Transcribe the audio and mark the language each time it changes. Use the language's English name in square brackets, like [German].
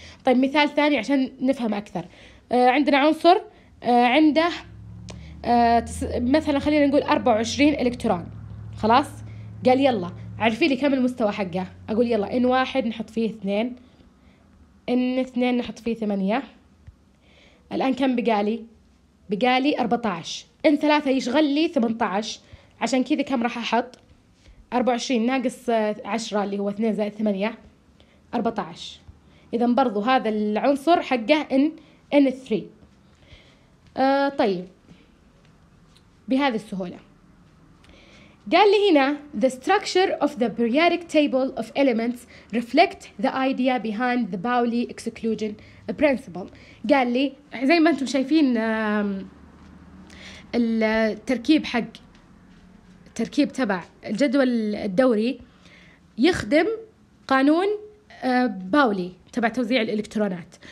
[Arabic] طيب مثال ثاني عشان نفهم أكثر، عندنا عنصر عنده مثلا خلينا نقول 24 إلكترون، خلاص قال يلا عرفي لي كم المستوى حقه، أقول يلا N1 نحط فيه 2، N2 نحط فيه 8، الآن كم بقالي؟ بقالي 14، N3 يشغل لي 18، عشان كذا كم راح أحط؟ 24 - 10 اللي هو 2 + 8 14. إذن برضو هذا العنصر حقه N3. طيب بهذه السهولة قال لي هنا [English] the structure of the periodic table of elements reflect the idea behind the Pauli exclusion principle. [Arabic] قال لي زي ما أنتم شايفين التركيب حق التركيب تبع الجدول الدوري يخدم قانون باولي تبع توزيع الإلكترونات.